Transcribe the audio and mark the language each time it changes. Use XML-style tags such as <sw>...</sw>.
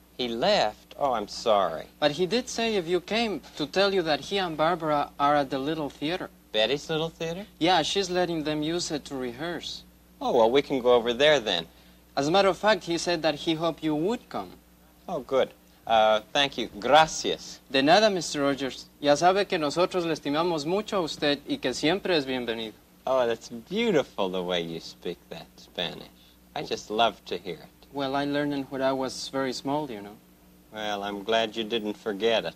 <en>He left? Oh, I'm sorry. But he did say if you came to tell you that he and Barbara are at the little theater. Betty's little theater? Yeah, she's letting them use it to rehearse. Oh, well, we can go over there then. As a matter of fact, he said that he hoped you would come. Oh, good. Thank you. Gracias.</en> <es>De nada, Mr. Rogers. Ya sabe que nosotros le estimamos mucho a usted y que siempre es bienvenido.</es> <en>Oh, that's beautiful the way you speak that Spanish. I just love to hear it. Well, I learned it when I was very small, you know. Well, I'm glad you didn't forget it.</en>